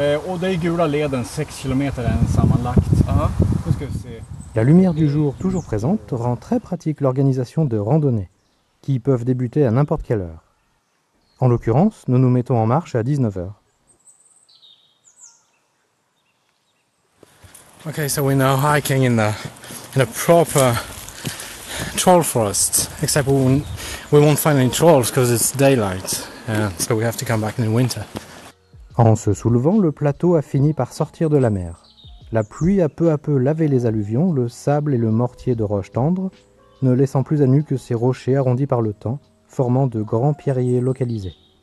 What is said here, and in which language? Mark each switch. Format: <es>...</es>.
<sv>Och det är gula leden, 6 km är den sammanlagt. Uh-huh. Nu ska vi se.</sv> <fr>La lumière du jour, toujours présente, rend très pratique l'organisation de randonnées, qui peuvent débuter à n'importe quelle heure. En l'occurrence, nous nous mettons en marche à 19h.</fr> <en>Okay, so we're now hiking in a proper troll forest, except we won't find any trolls because it's daylight, so we have to come back in the winter.</en> <fr>En se soulevant, le plateau a fini par sortir de la mer. La pluie a peu à peu lavé les alluvions, le sable et le mortier de roches tendres, ne laissant plus à nu que ces rochers arrondis par le temps, formant de grands pierriers localisés.</fr>